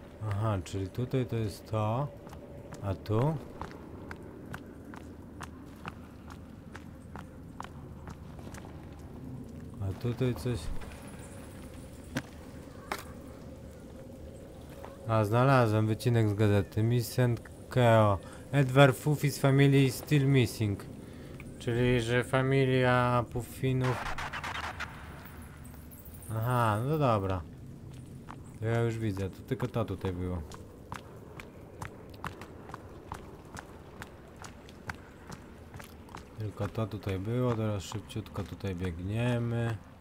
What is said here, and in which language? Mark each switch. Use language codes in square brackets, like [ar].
[pl] Aha, czyli tutaj to jest to. A tu? A tutaj coś... A, znalazłem wycinek z gazety. [en] Missing Keo. Edward Fuffy's family is still missing. [pl] Czyli, że familia Puffinów... Aha, no dobra. To ja już widzę, to tylko to tutaj było. Tylko to tutaj było, teraz szybciutko tutaj biegniemy.